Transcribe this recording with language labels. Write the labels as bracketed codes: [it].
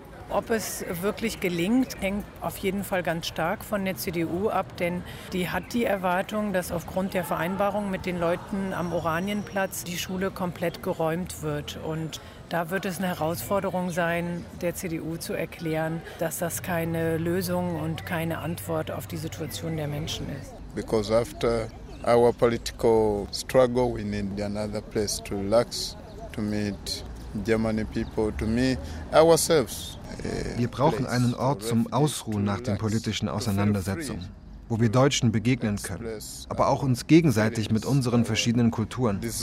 [de] Ob es wirklich gelingt, hängt auf jeden Fall ganz stark von der CDU ab, denn die hat die Erwartung, dass aufgrund der Vereinbarung mit den Leuten am Oranienplatz die Schule komplett geräumt wird. Und da wird es eine Herausforderung sein, der CDU zu erklären, dass das keine Lösung und keine Antwort auf die Situation der Menschen ist. [en] Because after our political struggle, we need another place to relax, to meet German people, to meet ourselves. [de] Wir brauchen einen Ort zum Ausruhen nach den politischen Auseinandersetzungen, wo wir Deutschen begegnen können, aber auch uns gegenseitig mit unseren verschiedenen Kulturen.